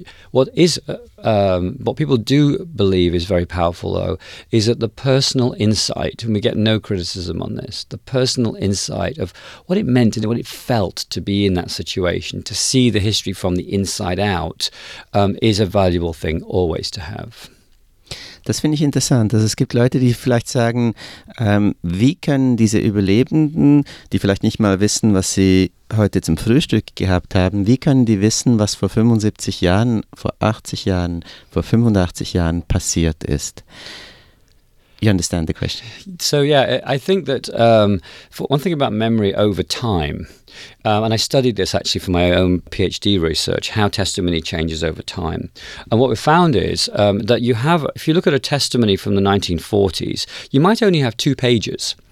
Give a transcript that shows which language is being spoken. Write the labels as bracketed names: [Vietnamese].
[English] What is what people do believe is very powerful, though, is that the personal insight, and we get no criticism on this, the personal insight of what it meant and what it felt to be in that situation, to see the history from the inside out, is a valuable thing always to have. [German] Das finde ich interessant. Also es gibt Leute, die vielleicht sagen, wie können diese Überlebenden, die vielleicht nicht mal wissen, was sie heute zum Frühstück gehabt haben, wie können die wissen, was vor 75 Jahren, vor 80 Jahren, vor 85 Jahren passiert ist? [English] You understand the question? So yeah, I think that for one thing about memory over time, and I studied this actually for my own PhD research, how testimony changes over time. And what we found is that you have, if you look at a testimony from the 1940s, you might only have two pages.